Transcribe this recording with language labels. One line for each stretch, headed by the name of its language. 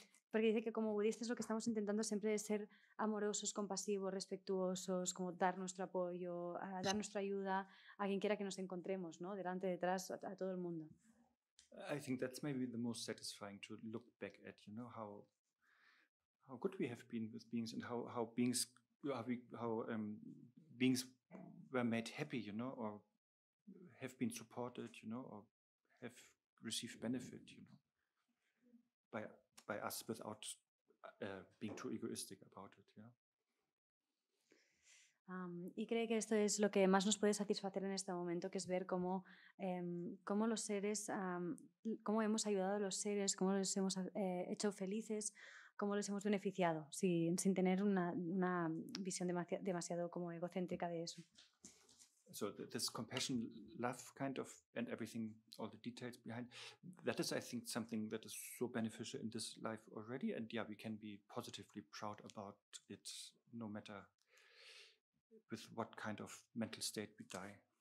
Spanish: Porque dice que como budistas lo que estamos intentando siempre es ser amorosos, compasivos, respetuosos, como dar nuestro apoyo, a dar nuestra ayuda a quien quiera que nos encontremos, ¿no? Delante, detrás, a todo el mundo.
English: I think that's maybe the most satisfying to look back at, you know, how good we have been with beings and how beings were made happy, you know, or have been supported, you know, or have receive benefit, you know, by us without being too egoistic about it, yeah.
Spanish: Y cree que esto es lo que más nos puede satisfacer en este momento, que es ver cómo cómo los seres cómo hemos ayudado a los seres, cómo les hemos hecho felices, cómo les hemos beneficiado, sin tener una visión demasiado como egocéntrica de eso.
English: So this compassion, love kind of, and everything, all the details behind, that is, I think, something that is so beneficial in this life already. And yeah, we can be positively proud about it, no matter with what kind of mental state we die.